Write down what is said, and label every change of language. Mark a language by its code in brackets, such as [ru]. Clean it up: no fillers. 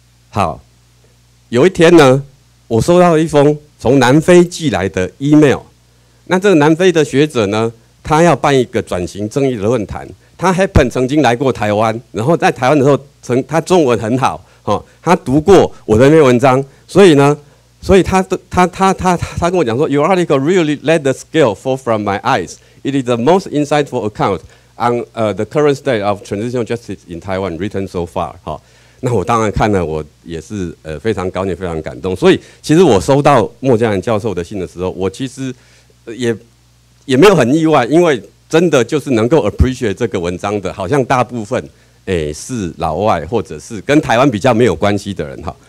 [zh] 好，有一天呢，我收到一封从南非寄来的 email， 那这个南非的学者呢，他要办一个转型正义的论坛，他 happen 曾经来过台湾，然后在台湾的时候，他中文很好哈，他读过我的那篇文章，所以他跟我讲说 ， [en] Your article really let the scale fall from my eyes. It is the most insightful account on the current state of transitional justice in Taiwan written so far. [zh] 哈，那我当然看了，我也是非常高兴，非常感动。所以其实我收到莫嘉蘭教授的信的时候，我其实也没有很意外，因为真的就是能够 appreciate 这个文章的，好像大部分是老外或者是跟台湾比较没有关系的人哈。